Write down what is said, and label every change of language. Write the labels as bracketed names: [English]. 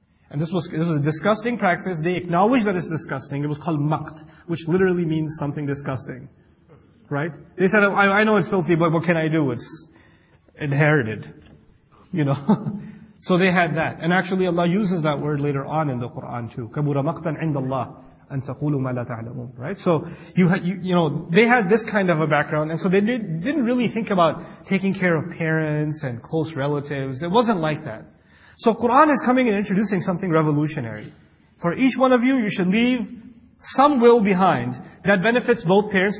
[English] And this was a disgusting practice. They acknowledged that it's disgusting. It was called maqt, which literally means something disgusting. right? They said, I know it's filthy, but what can I do? It's inherited, you know? So they had that. And actually Allah uses that word later on in the Quran too. [Arabic] كَبُرَ مَقْتًا عِنْدَ اللَّهِ أَن تَقُولُوا مَا لَا تَعْلَمُونَ [English] Right? So, you know, they had this kind of a background, and so they didn't really think about taking care of parents and close relatives. It wasn't like that. So Quran is coming and introducing something revolutionary. For each one of you, you should leave some will behind that benefits both parents.